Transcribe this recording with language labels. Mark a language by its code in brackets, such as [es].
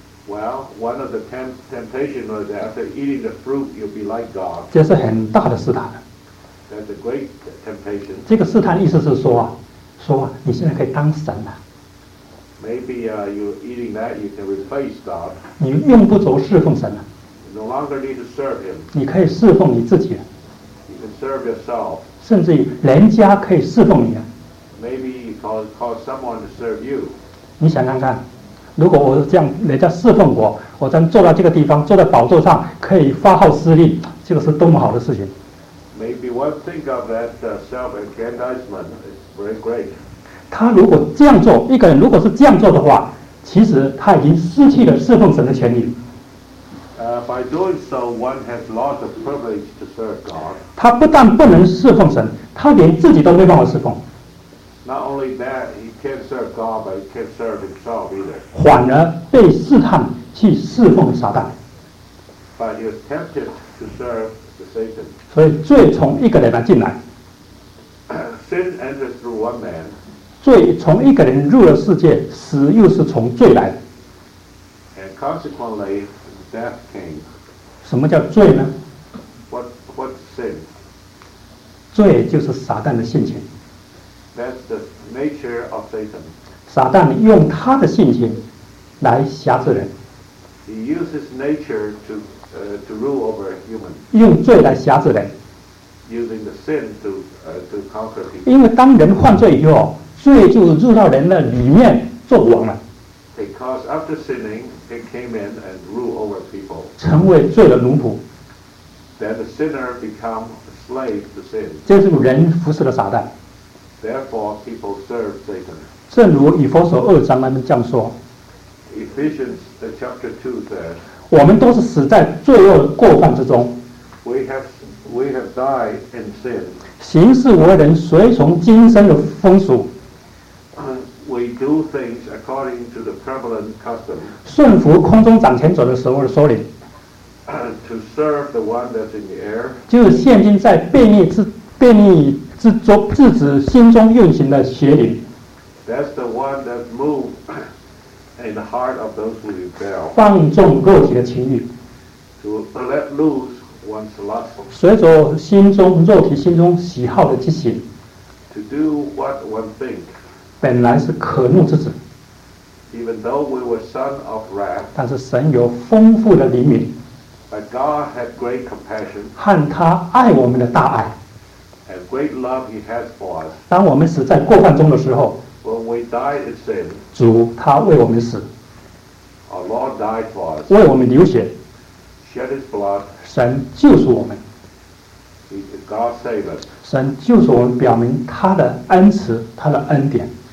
[en] Well, one of the temptation was that after eating the fruit, you'll be like God. [zh] 这是很大的试探。 [en] That's a great temptation. [zh] 这个试探意思是说啊，说啊，你现在可以当神了。 [en] Maybe you're eating that, you can replace God. [zh] 你用不着侍奉神了。 [en] You no longer need to serve him. [zh] 你可以侍奉你自己了。 [en] You can serve yourself. [zh] 甚至于人家可以侍奉你了。 [en] Maybe you call someone to serve you. [zh] 你想想看，如果我这样，人家侍奉我，我这样坐到这个地方，坐在宝座上，可以发号施令，这个是多么好的事情。 [en] Maybe one think of that self-aggrandizement is very great. [zh] 他如果这样做，一个人如果是这样做的话，其实他已经失去了侍奉神的权利。 [en] By doing so, one has lost the privilege to serve God. [zh] 他不但不能侍奉神，他连自己都没办法侍奉。 [en] Not only that, he can't serve God, but he can't serve himself either. [zh] 反而被试探去侍奉撒旦。 [en] But he was tempted to serve. [zh] 所以罪从一个人来进来， [en] Sin enters through one man. [zh] 罪从一个人入了世界，死又是从罪来的。 [en] And consequently, death came. [zh] 什么叫罪呢？ [en] What's sin? [zh] 罪就是撒旦的性情。 [en] That's the nature of Satan. [zh] 撒旦用他的性情来辖制人。 [en] He uses nature to rule over human. [zh] 用罪来辖制人。 [en] Using the sin to conquer people. [zh] 因为当人犯罪以后，罪就入到人的里面做王了。 [en] Because after sinning, it came in and ruled over people. [zh] 成为罪的奴仆。 [en] Then the sinner become a slave to sin. [zh] 这是人服侍了撒旦。 [en] Therefore, people serve Satan. [zh] 正如以弗所二章那边这样说。 [en] Ephesians chapter 2 says. [zh] 我们都是死在罪恶过犯之中。 [en] We have died in sin. [zh] 行事为人随从今生的风俗。 [en] We do things according to the prevalent custom. [zh] 顺服空中掌权者的时候的首领。 [en] To serve the one that's in the air. [zh] 就是现今在悖逆之中自止心中运行的邪灵。 [en] That's the one that moves. In the heart of those who rebel, [zh] 放纵个体的情欲 [en] to let loose one's lust, [zh] 随着心中肉体心中喜好的激情 [en] to do what one think, [zh] 本来是可怒之子 [en] even though we were son of wrath, [zh] 但是神有丰富的怜悯 [en] but God had great compassion, [zh] 和他爱我们的大爱 [en] and great love he has for us, [zh] 当我们死在过犯中的时候 [en] When we died in sin, [zh] 主他为我们死 [en] Our Lord died for us, [zh] 为我们流血 [en] shed his blood, [zh] 神救赎我们 [en] God save us, [zh] 神救赎我们表明他的恩慈他的恩典